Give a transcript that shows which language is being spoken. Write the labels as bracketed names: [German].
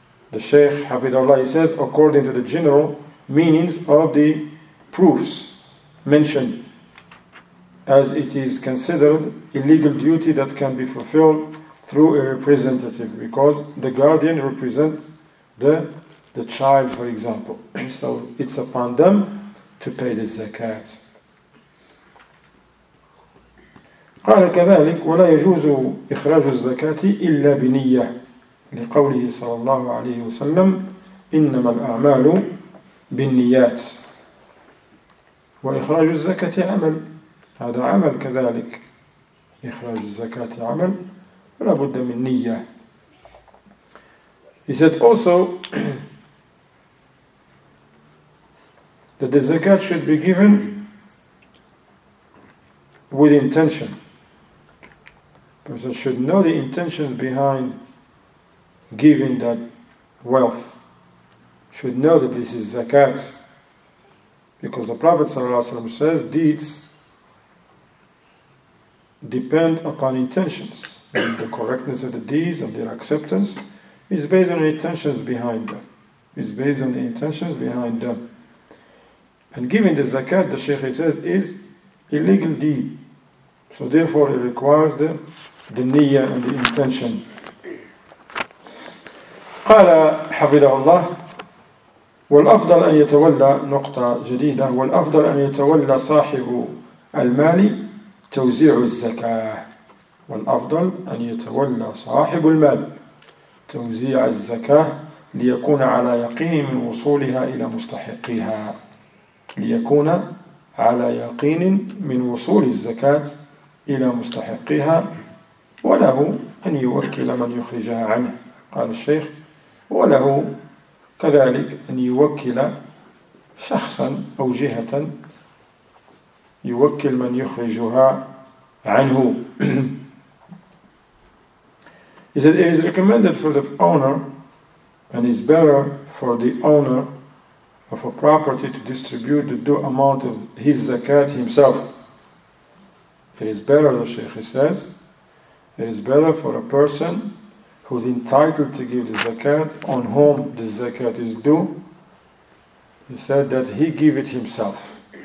[English] The Sheikh Hafidhullah, he says, according to the general meanings of the proofs mentioned, as it is considered a legal duty that can be fulfilled through a representative, because the guardian represents the child, for example. So it's upon them to pay the zakat. [Arabic] قال كذلك ولا يجوز إخراج الزكاة إلا بنية لقوله صلى الله عليه وسلم إنما الأعمال بالنيات وإخراج الزكاة عمل هذا عمل كذلك إخراج الزكاة عمل لا بد من نية. [English] He said also that the zakat should be given with intention. A person should know the intention behind giving that wealth. Should know that this is zakat. Because the Prophet ﷺ says deeds depend upon intentions. And the correctness of the deeds and their acceptance is based on the intentions behind them. It's based on the intentions behind them. And giving the zakat, the Shaykh says, is illegal deed. So therefore it requires the niyyah and the intention. [Arabic] قال حفظه الله والأفضل أن يتولى نقطة جديدة والأفضل أن يتولى صاحب المال توزيع الزكاة والأفضل أن يتولى صاحب المال توزيع الزكاة ليكون على يقين من وصولها إلى مستحقيها ليكون على يقين من وصول الزكاة إلى مستحقيها وله أن يوكل من يخرجها عنه قال الشيخ وله كذلك أن يوكل شخصا أو جهة يوكل من يخرجها عنه. [English] He said it is recommended for the owner and is better for the owner of a property to distribute the due amount of his zakat himself. It is better, the Shaykh says, it is better for a person who is entitled to give the zakat, on whom the zakat is due, he said that he give it himself.